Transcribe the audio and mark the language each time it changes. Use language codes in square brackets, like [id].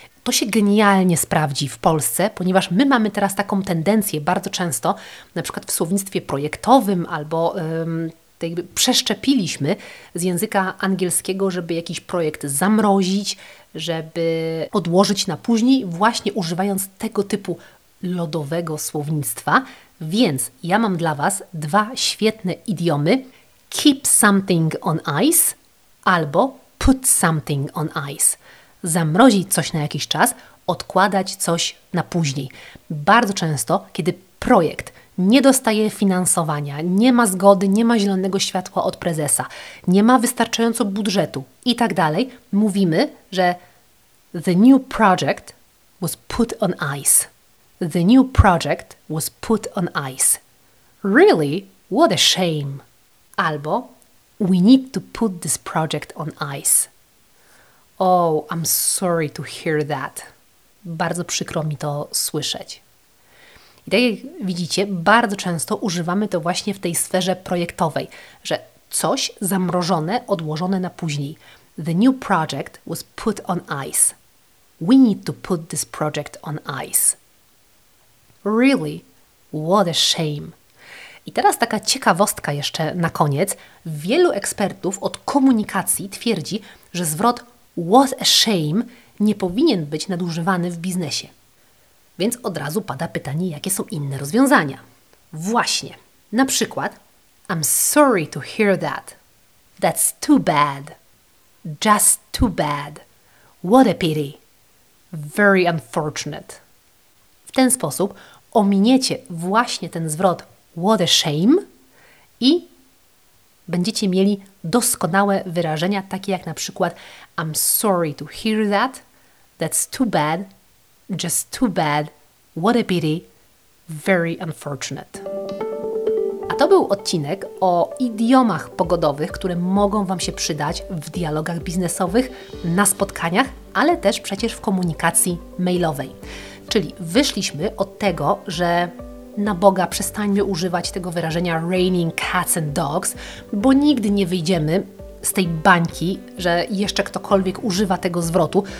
[pl] To się genialnie sprawdzi w Polsce, ponieważ my mamy teraz taką tendencję bardzo często, na przykład w słownictwie projektowym albo jakby przeszczepiliśmy z języka angielskiego, żeby jakiś projekt zamrozić, żeby odłożyć na później, właśnie używając tego typu lodowego słownictwa. Więc ja mam dla Was dwa świetne idiomy. Keep something on ice albo put something on ice. Zamrozić coś na jakiś czas, odkładać coś na później. Bardzo często, kiedy projekt nie dostaje finansowania, nie ma zgody, nie ma zielonego światła od prezesa, nie ma wystarczająco budżetu i tak dalej, mówimy, że [en] the new project was put on ice. The new project was put on ice. Really? What a shame. Albo we need to put this project on ice. Oh, I'm sorry to hear that. [pl] Bardzo przykro mi to słyszeć. I tak jak widzicie, bardzo często używamy to właśnie w tej sferze projektowej, że coś zamrożone, odłożone na później. [en] The new project was put on ice. We need to put this project on ice. Really? What a shame. [pl] I teraz taka ciekawostka jeszcze na koniec. Wielu ekspertów od komunikacji twierdzi, że zwrot what a shame nie powinien być nadużywany w biznesie. Więc od razu pada pytanie, jakie są inne rozwiązania. Właśnie. Na przykład [en] I'm sorry to hear that. That's too bad. Just too bad. What a pity. Very unfortunate. [pl] W ten sposób ominiecie właśnie ten zwrot what a shame i będziecie mieli doskonałe wyrażenia, takie jak na przykład [en] I'm sorry to hear that. That's too bad. Just too bad, what a pity, very unfortunate. [pl] A to był odcinek o idiomach pogodowych, które mogą Wam się przydać w dialogach biznesowych, na spotkaniach, ale też przecież w komunikacji mailowej. Czyli wyszliśmy od tego, że na Boga przestańmy używać tego wyrażenia raining cats and dogs, bo nigdy nie wyjdziemy z tej bańki, że jeszcze ktokolwiek używa tego zwrotu.